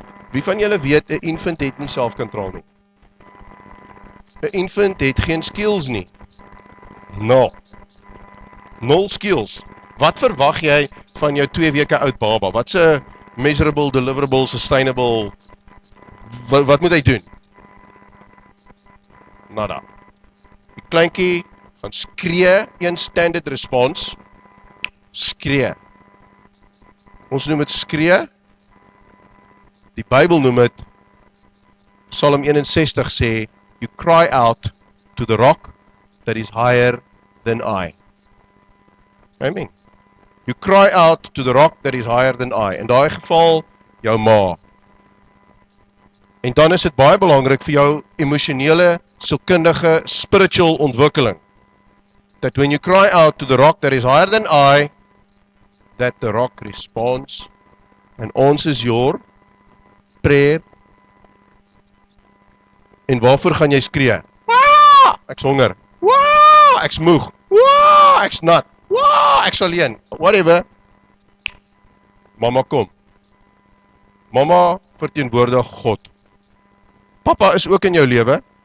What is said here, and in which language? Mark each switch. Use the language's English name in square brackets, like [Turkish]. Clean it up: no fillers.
[Afrikaans] Wie van julle weet 'n infant het nie selfkontrol nie? 'N infant het geen skills nie. Nul skills. Wat verwag jy van jou 2 weke oud baba? Wat's 'n measurable, deliverable, sustainable? Wat moet hy doen? Nada. Die kleintjie gaan skree, een standard response, skree. Ons noem dit skree. Die Bybel noem dit Psalm 61 sê, [English] "You cry out to the rock that is higher than I." Amen. You cry out to the rock that is higher than I. [Afrikaans] In daai geval, jou ma. En dan is dit baie belangrik vir jou emosionele, sielkundige, spiritual ontwikkeling. [English] That when you cry out to the rock that is higher than I, that the rock responds. [Afrikaans] En ons is [English] your prayer. [Afrikaans] En waarvoor gaan jy skree? Waah! Ek's honger. Waah! Ek's moeg. Waah! Ek's nat. Waah, ek's alleen, whatever. Mama kom. Mama verteenwoordig God. Papa is ook in jou lewe.